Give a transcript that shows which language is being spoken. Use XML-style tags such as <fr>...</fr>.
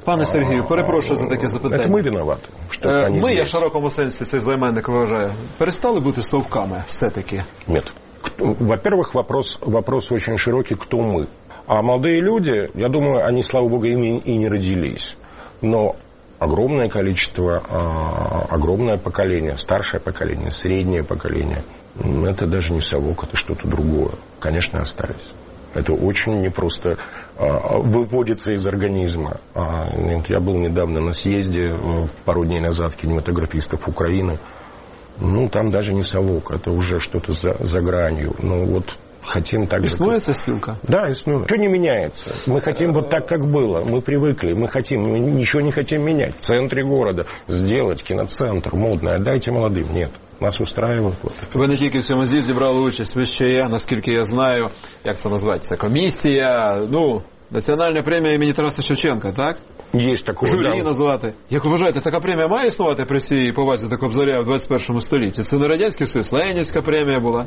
<uk>Пане Сергію, перепрошую за таке запитання. Це ми винуваті. Ми, я в широкому сенсі цей займенник вважаю, перестали бути совками все-таки? Ні.</uk> <ru>Во-первых, вопрос</ru> <uk>дуже широкий, хто ми. А молоді люди, я думаю, вони, слава Богу, ими і не родились.</uk> <ru>Но огромное количество, огромное поколение, старшее поколение, среднее поколение, это даже не совок, это что-то другое. Конечно, остались. Это очень непросто выводится из организма. Я был недавно на съезде, пару дней назад, кинематографистов Украины. Ну, там даже не совок, это уже что-то за гранью. Ну, вот хотим так же...</ru> <uk>Иснуется спилка?</uk> <ru>Да, иснуется. Ничего не меняется. Мы хотим вот так, как было. Мы привыкли, мы хотим, мы ничего не хотим менять. В центре города сделать киноцентр модный, отдайте молодым. Нет. Нас устраивает.</ru> <uk>Ви не тільки в цьому з'їзді брали участь, ви ще є, наскільки я знаю, як це називається, комісія, національна премія імені Тараса Шевченка, так? Є такого. Журі назвати. Як ви вважаєте, така премія має існувати при всій повазі до Кобзаря в 21 столітті? Це не Радянський Союз, Ленінська премія була?</uk>